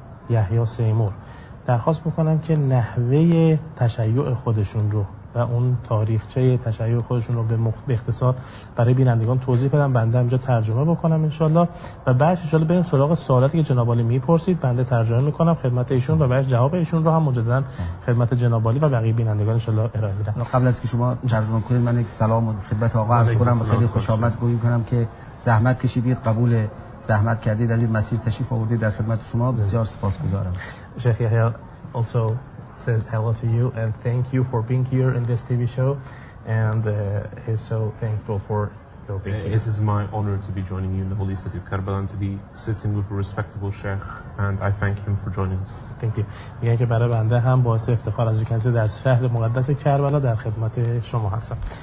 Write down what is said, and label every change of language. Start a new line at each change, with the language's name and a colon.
Persian: یحیی سیمور، درخواست میکنم که نحوه تشیع خودشون رو و اون تاریخچه تشیع خودشون رو به اختصار برای بینندگان توضیح بدم، بنده اینجا ترجمه بکنم انشالله، و بعدش انشالله بریم سراغ سوالاتی که جناب عالی میپرسید، بنده ترجمه میکنم خدمت ایشون و بعدش جواب ایشون رو هم مجددا خدمت جناب عالی و بقیه بینندگان انشالله ارائه میدم. قبل از که شما ترجمه کنید، من یک سلام و خدمت آقا عرض کنم، خیلی خوش آمد گویی کنم که زحمت کشیدید، قبول زحمت کردید، علی مسیر تشریف آوردید، در خدمت شما بسیار سپاسگزارم.
English: شیخ یحیی also says hello to you and thank you for being here in this TV show, and he's so thankful for your being here. It is my honor to be joining you in the holy city of Karbala and to be sitting with a respectable sheikh, and I thank him for joining us. Thank you.
Persian: میگن که برای بنده هم باعث افتخار از اینکه در شهر مقدس کربلا در خدمت شما هستم.